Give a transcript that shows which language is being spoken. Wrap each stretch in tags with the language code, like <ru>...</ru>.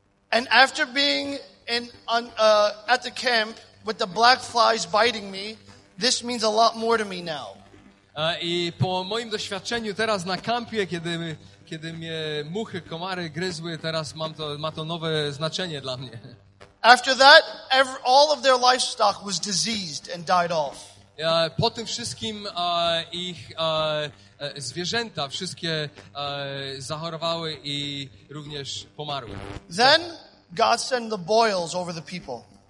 <en>And after being at the camp with the black flies biting me, this means a lot more to me now.</en> <pl>I po moim doświadczeniu teraz na kampie, kiedy mnie muchy, komary gryzły, teraz ma to nowe znaczenie dla mnie.</pl> <en>After that, all of their livestock was diseased and died off.</en> <pl>Po tym wszystkim ich zwierzęta wszystkie zachorowały i również pomarły.</pl> <en>Then God sent the boils over the people.</en>